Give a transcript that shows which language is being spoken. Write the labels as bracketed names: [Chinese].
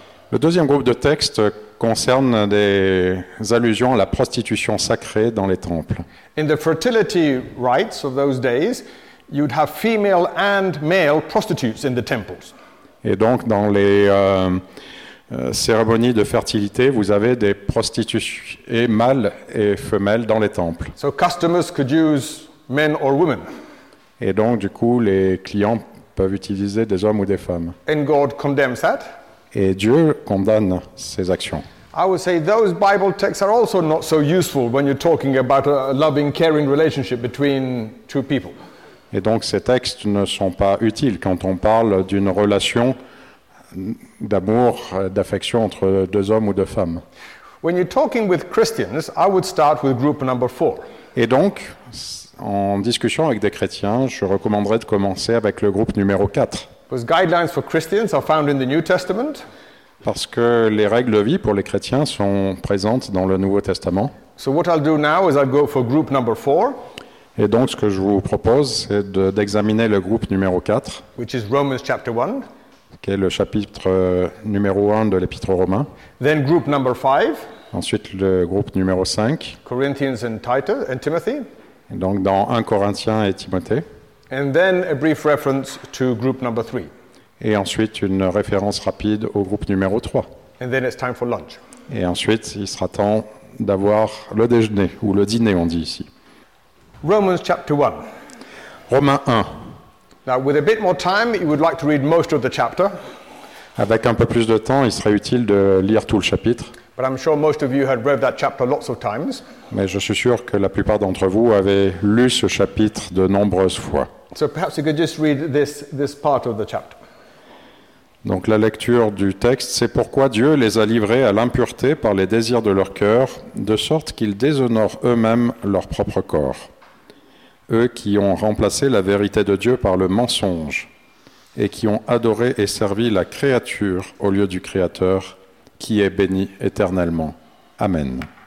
[French] Le deuxième groupe de textes concerne des allusions à la prostitution sacrée dans les temples. [English] In the fertility rites of those days, you'd have female and male prostitutes in the temples. [French] Et donc dans les cérémonies de fertilité, vous avez des prostituées et mâles et femelles dans les temples. [English] So customers could use men or women. [French] Et donc du coup les clients peuvent utiliser des hommes ou des femmes. [English] And God condemns that. [French] Et Dieu condamne ces actions. [English] I would say those Bible texts are also not so useful when you're talking about a loving, caring relationship between two people. [French] Et donc ces textes ne sont pas utiles quand on parle d'une relation d'amour, d'affection entre deux hommes ou deux femmes. [English] When you're talking with Christians, I would start with group number 4. [French] Et donc en discussion avec des chrétiens, je recommanderais de commencer avec le groupe numéro 4. [English] Because guidelines for Christians are found in the New Testament. [French] Parce que les règles de vie pour les chrétiens sont présentes dans le Nouveau Testament. [English] So what I'll do now is I'll go for group number 4. [French] Et donc, ce que je vous propose, c'est d'examiner le groupe numéro 4, [English] which is Romans chapter 1, [French] qui est le chapitre numéro 1 de l'Épître aux Romains. [English] Then group number 5, [French] ensuite, le groupe numéro 5, [English] Corinthians and Titus and Timothy, [French] et donc dans 1 Corinthiens et Timothée. [English] And then a brief reference to group number 3. [French] Et ensuite, une référence rapide au groupe numéro 3. [English] And then it's time for lunch. [French] Et ensuite, il sera temps d'avoir le déjeuner, ou le dîner, on dit ici. [English] Romans chapter 1. [French] Romains 1. [English] Now with a bit more time, you would like to read most of the chapter. [French] Avec un peu plus de temps, il serait utile de lire tout le chapitre. [English] But I'm sure most of you had read that chapter lots of times. [French] Mais je suis sûr que la plupart d'entre vous avez lu ce chapitre de nombreuses fois. [English] So perhaps you could just read this part of the chapter. [French] Donc la lecture du texte, c'est pourquoi Dieu les a livrés à l'impureté par les désirs de leur cœur, de sorte qu'ils déshonorent eux-mêmes leur propre corps. Eux qui ont remplacé la vérité de Dieu par le mensonge et qui ont adoré et servi la créature au lieu du Créateur, qui est béni éternellement. Amen.